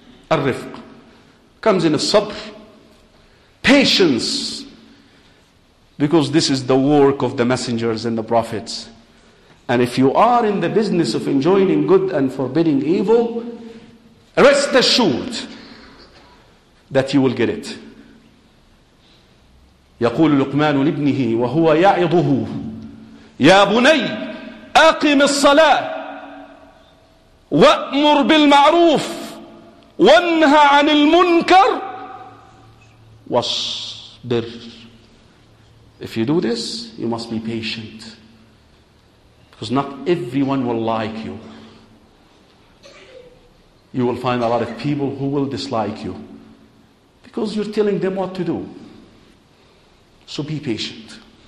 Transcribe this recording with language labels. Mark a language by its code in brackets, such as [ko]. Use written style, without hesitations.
[en] Al-rifq comes in a sabr, patience, Because this is the work of the messengers and the prophets. And if you are in the business of enjoining good and forbidding evil, rest assured that you will get it. [ar] يقول لقمان لابنه وهو يعظه يا بني أقم الصلاة وأمر بالمعروف وانهى عن المنكر واصبر. [en] If you do this, you must be patient. Because not everyone will like you. You will find a lot of people who will dislike you. Because you're telling them what to do. So be patient.